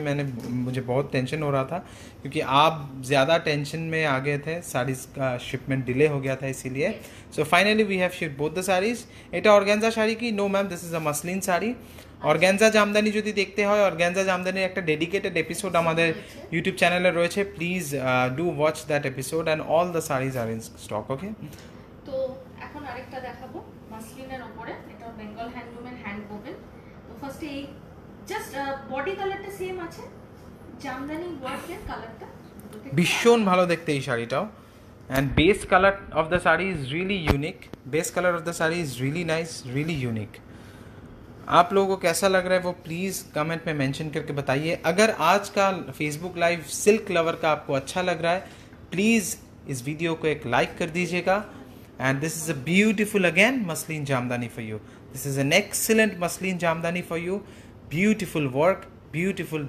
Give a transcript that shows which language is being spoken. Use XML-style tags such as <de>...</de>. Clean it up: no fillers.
<hi>मैंने मुझे बहुत टेंशन हो रहा था क्योंकि आप ज़्यादा टेंशन में आ गए थे, साड़ीज का शिपमेंट डिले हो गया था इसीलिए.</hi> <en>So finally we have shipped both the saris.</en> <bn>Etah organza sari की?</bn> <en>No ma'am, this is a muslin sari.</en> <hi>Organza jamdani जो देखते हैं, ऑर्गेंजा जामदानी एक डेडिकेटेड एपिसोड हमारे यूट्यूब चैनल रही है,</hi> <en>Please do watch that episode and all the saris are in stock. Okay</en> <bn>तो এখন আরেকটা দেখাবো মাসলিনের উপরে, এটা Bengal handloom and hand woven. তো ফার্স্টে এই জাস্ট বডি কালারটা সেম আছে, জামদানি ওয়ার্ক এর কালারটা ভীষণ ভালো দেখতে এই শাড়িটাও.</bn> <en>And base color of the sari is really unique. Base color of the sari is really nice, really unique.</en> <hi>आप लोगों को कैसा लग रहा है वो प्लीज़ कमेंट में मेंशन करके बताइए. अगर आज का फेसबुक लाइव सिल्क लवर का आपको अच्छा लग रहा है, प्लीज़ इस वीडियो को एक लाइक कर दीजिएगा.</hi> <en>And this is a beautiful again maslin jamdani for you. This is an excellent maslin jamdani for you. Beautiful work, beautiful.</en>